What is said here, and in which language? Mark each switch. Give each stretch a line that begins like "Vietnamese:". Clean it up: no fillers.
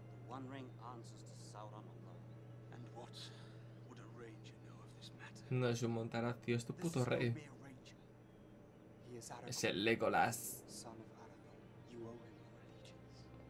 English: The One Ring answers to Sauron alone. And what would a ranger know of this matter?
Spanish: No es un montaraz, tío, es tu puto rey. Es el Legolas.
English: Son of Aragorn, you owe him your allegiance.